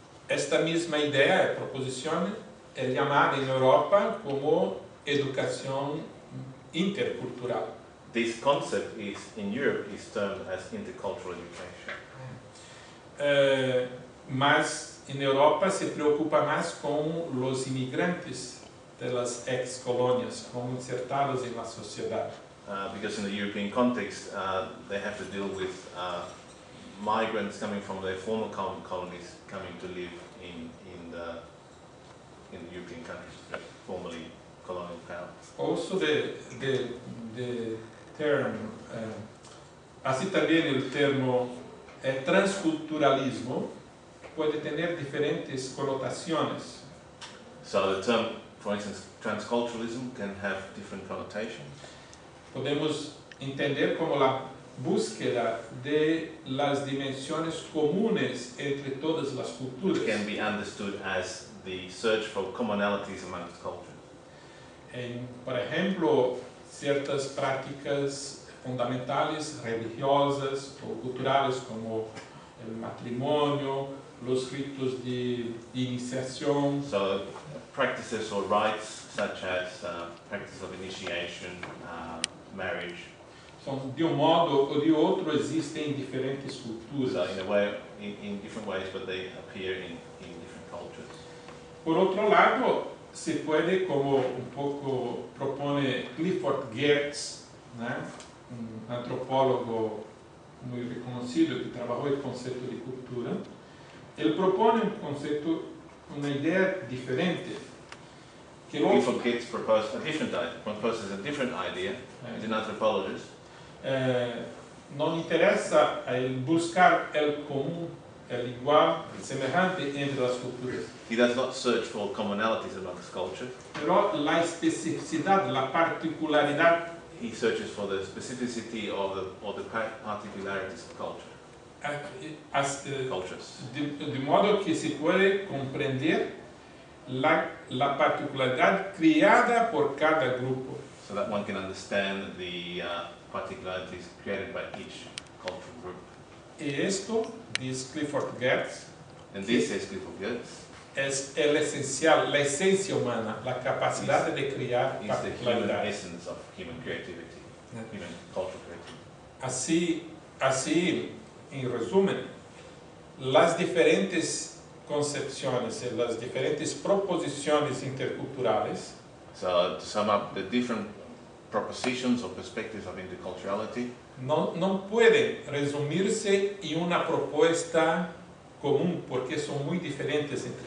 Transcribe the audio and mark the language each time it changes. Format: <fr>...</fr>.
<es>Esta misma idea, proposición, es llamada en Europa como educación intercultural.</es> <en>this concept is in Europe is termed as intercultural education.</en> <pt>Mas em Europa se preocupa mais com os imigrantes das ex-colônias, como insertá-los em uma sociedade.</pt> <en>Because in the European context, they have to deal with migrants coming from their former colonies coming to live in the European countries, formerly colonial powers. Also, the term,</en> <pt>assim também o termo é transculturalismo, pode ter diferentes conotações.</pt> <en>So the term, for instance, transculturalism can have different connotations.</en> <es>Podemos entender como la búsqueda de las dimensiones comunes entre todas las culturas.</es> <en>Which can be understood as the search for commonalities among cultures.</en> <es>Por ejemplo, ciertas prácticas fundamentales religiosas o culturales como el matrimonio, los ritos de iniciación.</es> <en>So, practices or rites such as practice of initiation, marriage.</en> <pt>So, de modo ou de outro existem diferentes culturas.</pt> <en>So, in a way, in different ways, but they appear in different cultures.</en> <pt>Por outro lado, se pode, como pouco propõe Clifford Geertz, né, antropólogo muito reconhecido que trabalhou o conceito de cultura, ele propõe conceito, uma ideia diferente.</pt> <en>Clifford Geertz proposes a different idea. He's an anthropologist.</en> <pt>Não interessa buscar</pt> <es>el común, el igual, el semejante entre las culturas.</es> <en>He does not search for commonalities among cultures.</en> <es>Pero la especificidad, la particularidad.</es> <en>He searches for the specificity of the or the particularities of culture. Cultures.</en> <es>De modo que se puede comprender la particularidad creada por cada grupo.</es> <en>So that one can understand the particularities created by each cultural group.</en> <es>Y esto, dice Clifford Geertz.</es> <en>And this is Clifford Geertz.</en> <es>Es el esencial, la esencia humana, la capacidad de crear particularidad.</es> <en>Is the human essence of human creativity, human cultural creativity.</en> <es>Así, en resumen, las diferentes concepciones, las diferentes proposiciones interculturales.</es> <en>So, to sum up, the different propositions or perspectives of interculturality.</en> <es>No puede resumirse en una propuesta común porque son muy diferentes entre sí.</es>